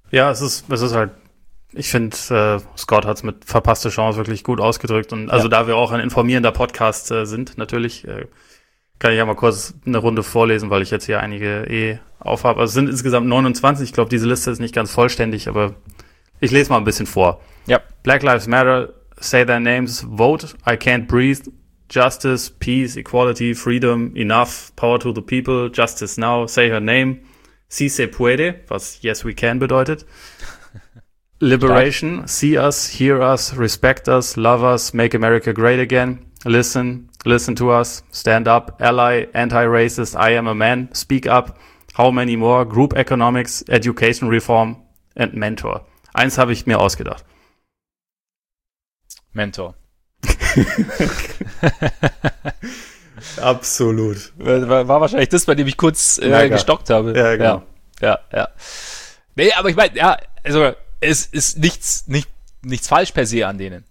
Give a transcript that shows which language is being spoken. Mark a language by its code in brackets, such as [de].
[de] Ja, es ist halt, ich finde, Scott hat es mit verpasste Chance wirklich gut ausgedrückt. Und also da wir auch ein informierender Podcast sind, natürlich, kann ich ja mal kurz eine Runde vorlesen, weil ich jetzt hier einige aufhabe. Also es sind insgesamt 29. Ich glaube, diese Liste ist nicht ganz vollständig, aber ich lese mal ein bisschen vor. [en] Yep. Black Lives Matter, say their names, vote, I can't breathe, justice, peace, equality, freedom, enough, power to the people, justice now, say her name, si se puede, [de] was yes we can bedeutet, [en] liberation, see us, hear us, respect us, love us, make America great again, listen to us, stand up, ally, anti-racist, I am a man, speak up, how many more, group economics, education reform and mentor. [de] Eins habe ich mir ausgedacht. Mentor. Absolut. War wahrscheinlich das, bei dem ich kurz gestockt habe. Ja, genau. Ja. Nee, aber ich meine, ja, also es ist nichts falsch per se an denen.